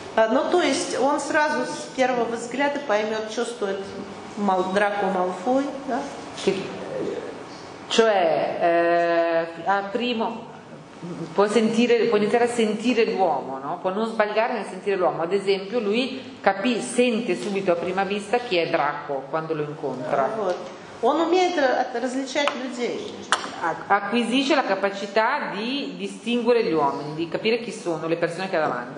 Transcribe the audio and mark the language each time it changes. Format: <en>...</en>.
<ru>Ну, то есть он сразу с первого взгляда поймет, что стоит Драко Малфой, да?</ru> <it>Cioè, a primo può sentire, può iniziare a sentire l'uomo, no? Può non sbagliare nel sentire l'uomo. Ad esempio, lui sente subito a prima vista chi è Draco quando lo incontra.</it> <ru>Он умеет различать людей.</ru> <it>Acquisisce la capacità di distinguere gli uomini, di capire chi sono le persone che ha davanti.</it>